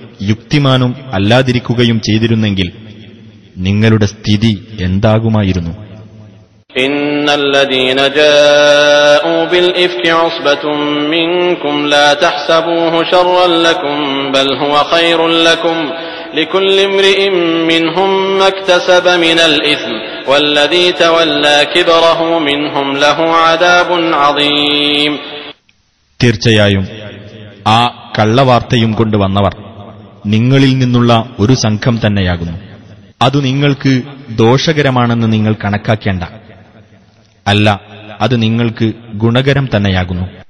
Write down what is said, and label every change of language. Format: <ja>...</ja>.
<ml>യുക്തിമാനും അല്ലാതിരിക്കുകയും ചെയ്തിരുന്നെങ്കിൽ നിങ്ങളുടെ സ്ഥിതി എന്താകുമായിരുന്നു?</ml> <ar>لكل امرئ منهم ما اكتسب من الإثم والذي تولى كبره منهم له عذاب عظيم.</ar> <ml>തീർച്ചയായും ആ കള്ളവാർത്തയും കൊണ്ടുവന്നവർ നിങ്ങളിൽ നിന്നുള്ള ഒരു സംഘം തന്നെയാകുന്നു. അത് നിങ്ങൾക്ക് ദോഷകരമാണെന്ന് നിങ്ങൾ കണക്കാക്കേണ്ട, അല്ല അത് നിങ്ങൾക്ക് ഗുണകരം തന്നെയാകുന്നു.</ml>